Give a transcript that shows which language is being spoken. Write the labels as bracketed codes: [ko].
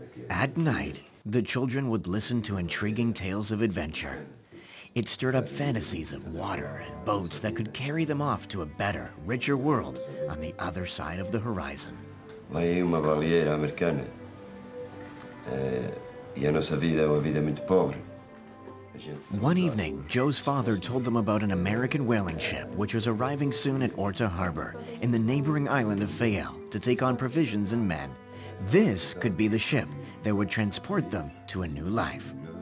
[en] At night, the children would listen to intriguing tales of adventure. It stirred up fantasies of water and boats that could carry them off to a better, richer world on the other side of the horizon. [pt] Vai uma baleia americana. E a nossa vida é uma vida muito pobre. [en] One evening, Joe's father told them about an American whaling ship which was arriving soon at Orta Harbor in the neighboring island of Fayal to take on provisions and men. This could be the ship that would transport them to a new life.